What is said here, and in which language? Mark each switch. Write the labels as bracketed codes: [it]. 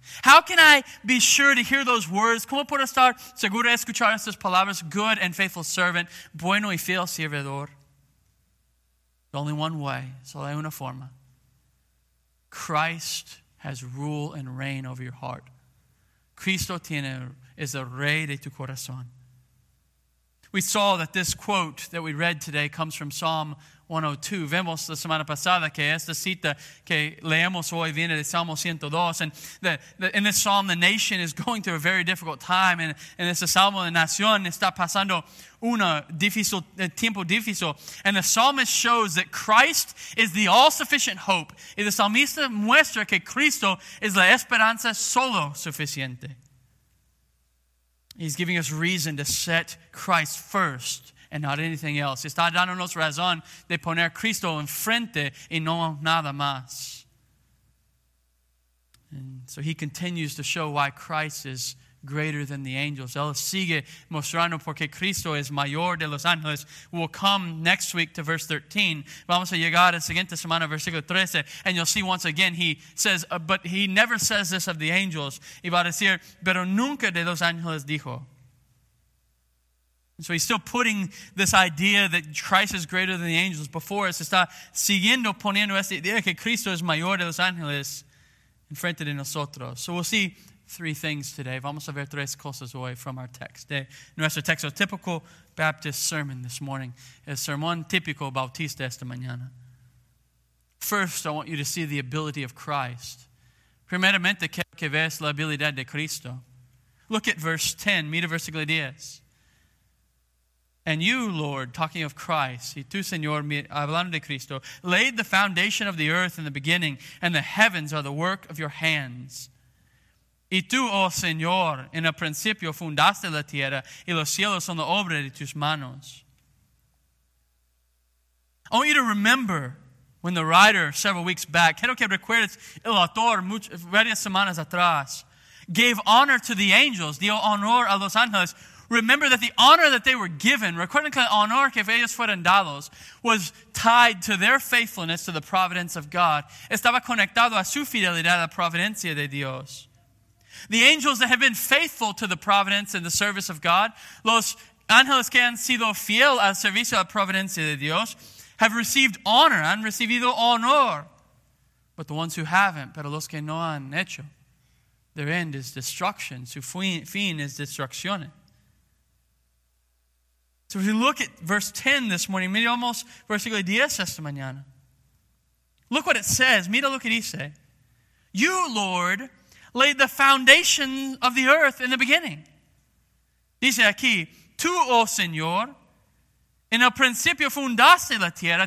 [en] How can I be sure to hear those words? [es] ¿Cómo puedo estar seguro de escuchar estas palabras? [en] Good and faithful servant, [es] bueno y fiel servidor. [en] Only one way, [es] solo hay una forma. [en] Christ has rule and reign over your heart. [es] Cristo tiene, es el rey de tu corazón. [en] We saw that this quote that we read today comes from Psalm 102. [es] Vemos la semana pasada que esta cita que leemos hoy viene de Salmo 102. [en] And in this psalm, the nation is going through a very difficult time. And in this [es] Salmo, la nación está pasando una difícil, tiempo difícil. [en] And the psalmist shows that Christ is the all-sufficient hope. [es] Y el salmista muestra que Cristo es la esperanza solo suficiente. [en] He's giving us reason to set Christ first and not anything else. [es] Está dándonos razón de poner Cristo enfrente y no nada más. [en] And so he continues to show why Christ is greater than the angels. [es] Él sigue mostrando porque Cristo es mayor de los ángeles. [en] We'll come next week to verse 13. [es] Vamos a llegar a la siguiente semana, versículo 13. [en] And you'll see once again, he says, but he never says this of the angels. [es] Y va a decir, pero nunca de los ángeles dijo. [en] So he's still putting this idea that Christ is greater than the angels before us. [es] Está siguiendo poniendo esta idea que Cristo es mayor de los ángeles enfrente de nosotros. [en] So we'll see three things today. [es] Vamos a ver tres cosas hoy [en] from our text. [es] De nuestro texto, [en] typical Baptist sermon this morning. [es] El sermón típico bautista esta mañana. [en] First, I want you to see the ability of Christ. [es] Primeramente, que ves la habilidad de Cristo. [en] Look at verse 10, [es] mira versículo 10. [en] And you, Lord, talking of Christ, [es] y tú, Señor, hablando de Cristo, [en] laid the foundation of the earth in the beginning, and the heavens are the work of your hands. [es] Y tú, oh Señor, en el principio fundaste la tierra y los cielos son la obra de tus manos. [en] I want you to remember when the writer several weeks back, [es] quiero que recuerdes el autor varias semanas atrás, [en] gave honor to the angels, [es] dio honor a los ángeles. [en] Remember that the honor that they were given, [es] recuerden que el honor que ellos fueron dados, [en] was tied to their faithfulness to the providence of God. [es] Estaba conectado a su fidelidad a la providencia de Dios. [en] The angels that have been faithful to the providence and the service of God, [es] los ángeles que han sido fiel al servicio a la providencia de Dios, [en] have received honor, [es] han recibido honor. [en] But the ones who haven't, [es] pero los que no han hecho, [en] their end is destruction. [es] Su fin es destrucción. [en] So if you look at verse 10 this morning, [es] mira vamos versículo 10 esta mañana. [en] Look what it says. [es] Mira lo que dice. [en] You, Lord, laid the foundation of the earth in the beginning. [es] Dice aquí, tú, oh Señor, en el principio fundaste la tierra.